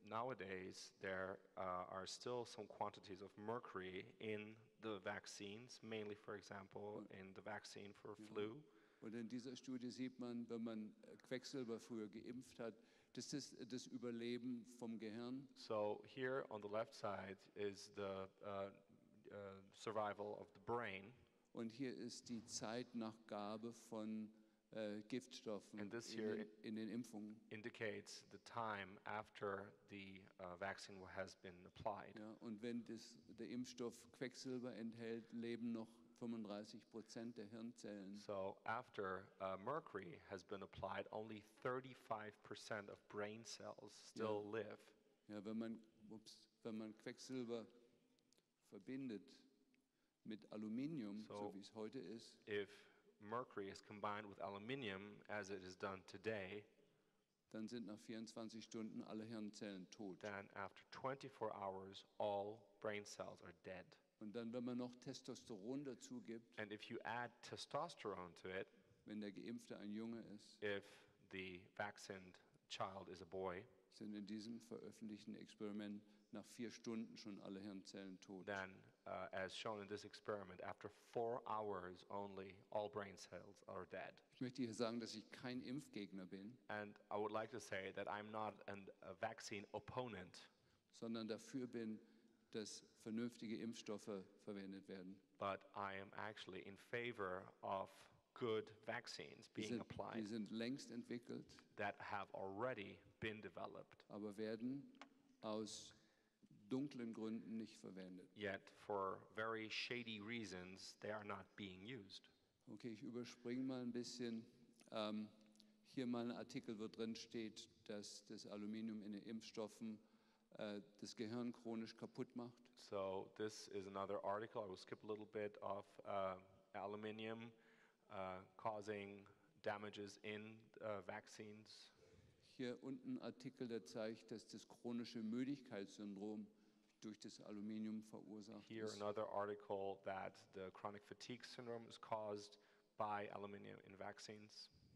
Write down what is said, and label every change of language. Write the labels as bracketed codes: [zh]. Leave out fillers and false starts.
[en] Nowadays there are still some quantities of mercury in the vaccines, mainly for example in the vaccine for flu. [de] Und in dieser Studie sieht man, wenn man Quecksilber früher geimpft hat, das ist das Überleben vom Gehirn. [en] So here on the left side is the survival of the brain. [de] Und hier ist die Zeit nach Gabe von Giftstoffen [en] and this here [de] in den Impfungen [en] indicates the time after the vaccine has been applied. [de] Ja, und wenn das, der Impfstoff Quecksilber enthält, leben noch 35% der Hirnzellen. [en] So after mercury has been applied, only 35% of brain cells still live. [de] Ja, wenn man, wenn man Quecksilber verbindet mit Aluminium, so wie es heute ist, [en] if mercury is combined with aluminium as it is done today, [de] dann sind nach 24 Stunden alle Hirnzellen tot. [en] Then after 24 hours all brain cells are dead. [de] Und dann wenn man noch Testosteron dazu gibt, [en] and if you add testosterone to it, [de] wenn der Geimpfte ein Junge ist, [en] if the vaccinated child is a boy, [de] sind in diesem veröffentlichten Experiment nach 4 Stunden schon alle Hirnzellen tot. [en] Then, as shown in this experiment, after 4 hours only, all brain cells are dead. [de] Ich möchte hier sagen, dass ich kein Impfgegner bin. [en] And I would like to say that I'm not a vaccine opponent. [de] Sondern dafür bin, dass vernünftige Impfstoffe verwendet werden. [en] But I am actually in favor of good vaccines being applied. [de] Die sind längst entwickelt. [en] That have already been developed. [de] Aber werden aus dunklen Gründen nicht verwendet. [en] Yet for very shady reasons they are not being used. [de] Okay, ich überspringe mal ein bisschen. Hier mal ein Artikel, wo drin steht, dass das Aluminium in den Impfstoffen das Gehirn chronisch kaputt macht. [en] So this is another article. I will skip a little bit of aluminium causing damages in vaccines. [de] Hier unten ein Artikel, der zeigt, dass das chronische Müdigkeitssyndrom durch das Aluminium verursacht [en] Here [de] ist. [en] Another article that the chronic fatigue syndrome is caused by aluminium in vaccines.